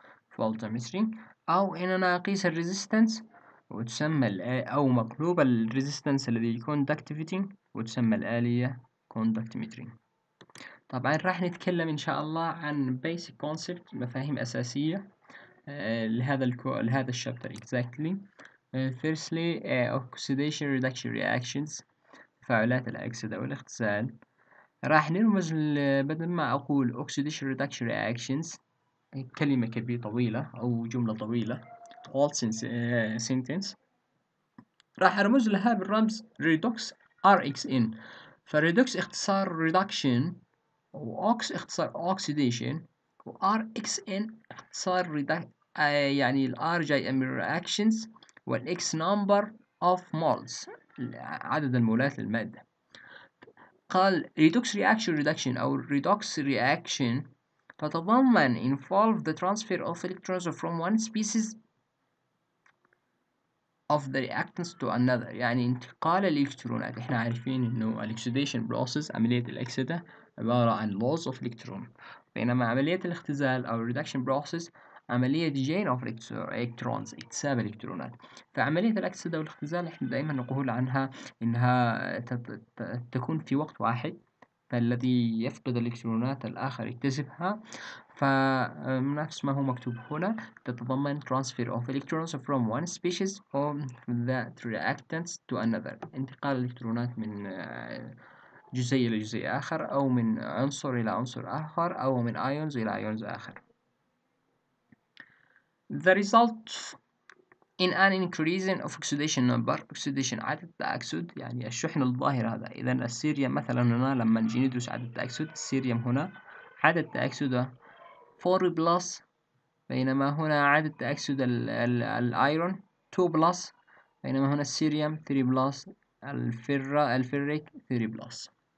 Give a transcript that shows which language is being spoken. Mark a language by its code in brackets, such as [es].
[ar] فولتمتري او اننا اقيس الريزيستنس وتسمى او مقلوب الريزيستنس الذي الكوندكتيفيتي وتسمى الآلية كوندكتيمتري. طبعا راح نتكلم ان شاء الله عن [en] basic concept، [ar] مفاهيم اساسية لهذا الشابتر [en] exactly. firstly oxidation reduction reactions، [ar] تفاعلات الأكسدة والاختزال. راح نرمز بدل ما أقول [en] oxidation reduction reactions، [ar] كلمة كبيرة طويلة أو جملة طويلة [en] all sentence، [ar] راح أرمز لها بالرمز redox rxn. فredox اختصار reduction، وox اختصار oxidation، وrxn اختصار يعني ال r جاي من reactions، والx [en] number of moles [ar] عدد المولات للمادة. قال [en] redox reaction reduction [ar] أو redox reaction تتضمن [en] involve the transfer of electrons from one species of the reactants to another، [ar] يعني انتقال الإلكترونات. إحنا عارفين إنه الأكسيديشن بروسيس عملية الأكسدة عبارة عن [en] loss of electron، [ar] بينما عملية الاختزال أو [en] reduction process [ar] عملية جين اوف الكترونز اكتساب الالكترونات. فعملية الاكسدة والاختزال احنا دائما نقول عنها انها تكون في وقت واحد، فالذي يفقد الالكترونات الاخر يكتسبها. فنفس ما هو مكتوب هنا تتضمن [en] transfer of electrons from one species of that reactants to another، [ar] انتقال الالكترونات من جزيء الى جزيء اخر، او من عنصر الى عنصر اخر، او من ions الى ions اخر. [en] The result in an increasing of oxidation number. [ar] Oxidation عدد التأكسد يعني الشحن الظاهر هذا. إذا السيريوم مثلا هنا لما نجي ندرس عدد التأكسد السيريوم هنا عدد تأكسده 4 بلس، بينما هنا عدد تأكسد الأيرون 2 بلس، بينما هنا السيريوم 3 بلس، الفيريك 3 بلس.